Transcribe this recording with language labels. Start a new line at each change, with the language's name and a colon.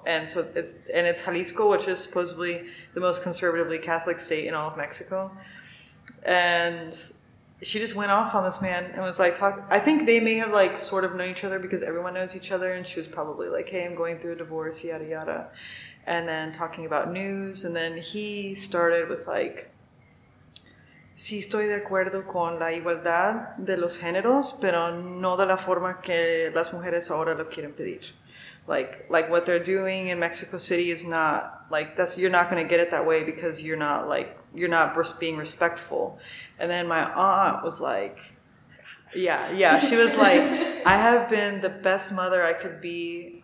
English: And so it's Jalisco, which is supposedly the most conservatively Catholic state in all of Mexico. And she just went off on this man and was like, I think they may have like sort of known each other because everyone knows each other. And she was probably like, hey, I'm going through a divorce, yada, yada. And then talking about news. And then he started with like,
Spanish: sí, estoy de acuerdo con la igualdad de los géneros, pero no de la forma que las mujeres ahora lo quieren pedir.
English: Like what they're doing in Mexico City is not, like, that's, you're not going to get it that way because you're not, like, you're not being respectful. And then my aunt was like, yeah, yeah. She was like, I have been the best mother I could be.